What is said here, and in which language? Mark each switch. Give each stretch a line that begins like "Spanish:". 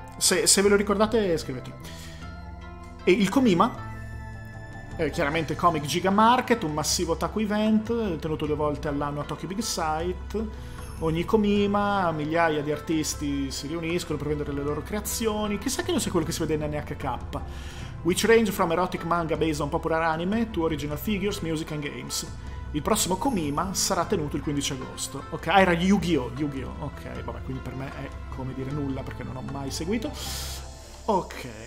Italian: Se ve lo ricordate, scrivetelo. E il Komima? Chiaramente Comic Giga Market, un massivo otaku event tenuto due volte all'anno a Tokyo Big Sight. Ogni Komima, migliaia di artisti si riuniscono per vendere le loro creazioni. Chissà che non sia quello che si vede in NHK.
English: Which range from erotic manga based on popular anime to original figures, music and games.
Italian: Il prossimo Komima sarà tenuto il 15 agosto. Ok, era Yu-Gi-Oh! Yu-Gi-Oh! Ok, vabbè, quindi per me è come dire nulla perché non ho mai seguito. Ok.